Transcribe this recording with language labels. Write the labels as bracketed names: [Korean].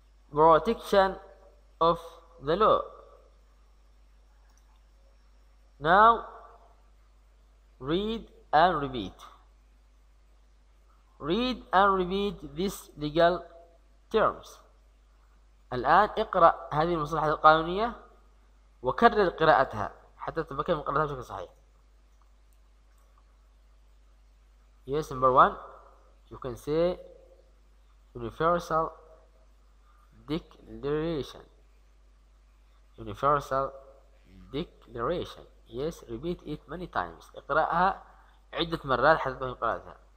[English] Protection of the law. Now, read and repeat. Read and repeat these legal terms. [Arabic] الآن اقرأ هذه المصطلحات القانونية وكرر قراءتها حتى تتمكن من قراءتها بشكل صحيح. [English] Yes, number one, you can say universal declaration. Universal declaration. Yes, repeat it many times. [Arabic] اقرأها عدة مرات حتى تتمكن من قراءتها.